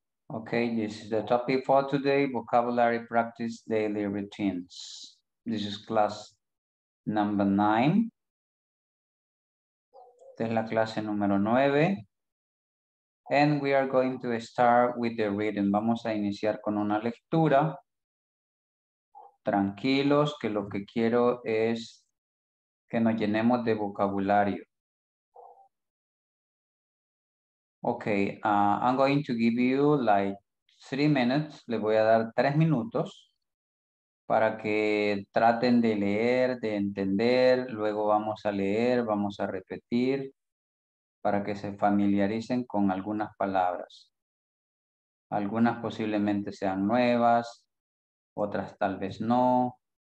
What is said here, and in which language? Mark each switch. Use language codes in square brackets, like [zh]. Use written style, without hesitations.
[en] Okay, this is the topic for today, vocabulary practice, daily routines. This is class number 9. [es] Esta es la clase número 9. [en] And we are going to start with the reading. [es] Vamos a iniciar con una lectura. Tranquilos, que lo que quiero es que nos llenemos de vocabulario. [en] Okay, I'm going to give you like 3 minutes. [es] Le voy a dar 3 minutos para que traten de leer, de entender. Luego vamos a leer, vamos a repetir para que se familiaricen con algunas palabras. Algunas posiblemente sean nuevas, otras tal vez no.